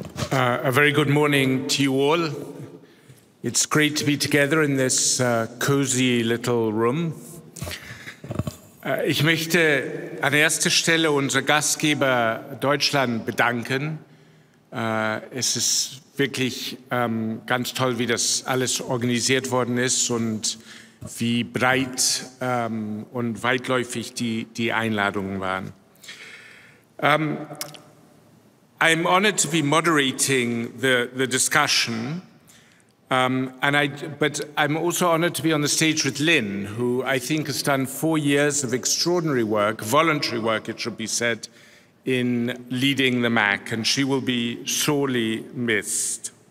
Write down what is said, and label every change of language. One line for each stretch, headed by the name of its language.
English: A very good morning to you all. It's great to be together in this cozy little room.
German: Ich möchte an erster Stelle unser Gastgeber Deutschland bedanken. Es ist wirklich ganz toll, wie das alles organisiert worden ist und wie breit und weitläufig die Einladungen waren.
English: I'm honored to be moderating the discussion, but I'm also honored to be on the stage with Lynn, who I think has done 4 years of extraordinary work, voluntary work, it should be said, in leading the MAC, and she will be sorely missed.